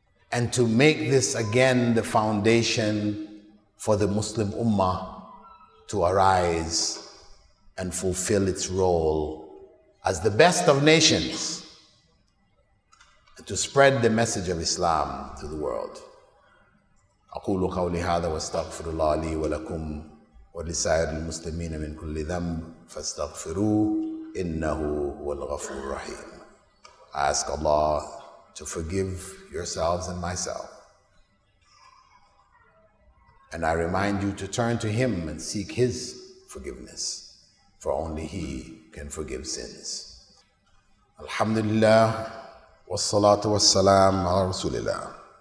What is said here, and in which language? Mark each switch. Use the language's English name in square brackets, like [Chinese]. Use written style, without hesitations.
[English] and to make this again the foundation for the Muslim Ummah to arise and fulfill its role as the best of nations, and to spread the message of Islam to the world. [Arabic] أقول قولي هذا واستغفر الله لي ولكم ولسائر المسلمين من كل ذنب فاستغفروه إنه هو الغفور الرحيم. [English] I ask Allah to forgive yourselves and myself. And I remind you to turn to Him and seek His forgiveness, for only He can forgive sins. [Arabic] Alhamdulillah, wassalatu wassalam ala Rasulillah.